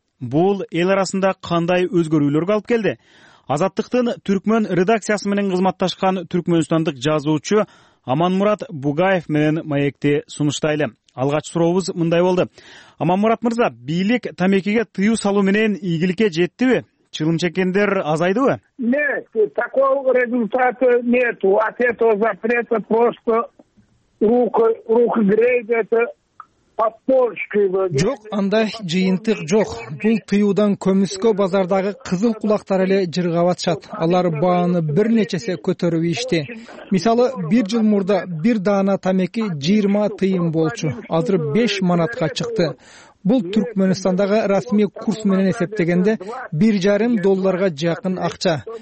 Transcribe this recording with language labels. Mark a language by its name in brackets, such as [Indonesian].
[Kyrgyz] Бул эл арасында кандай өзгөрүүлөргө алып келди? Азаттыктын Түркмөн редакциясы менен кызматташкан түркмөнстандык жазуучу Аманмурат Бугаев менен маекти сунуштайлы. Алгач сурообуз мындай болду. Аманмурат мырза, бийлик тамекиге тыюу салуу менен ийгиликке жеттиби? Чылым чеккендер азайдыбы? [Russian] Нет, такого результата нету. От этого запрета просто руку греет это. [Kyrgyz] Жок, анда жыйынтык жок. Бул тыюудан көмүскө базардагы кызыл кулактар эле жыргабатышат. Алар бааны бир нечесе көтөрүп ийишти. Мисалы, бир жыл мурда бир даана тамеки 20 тыйын болчу. Азыр 5 манатка чыкты. Бул Түркмөнстандагы расмий курс менен эсептегенде 1.5 долларга жакын акча.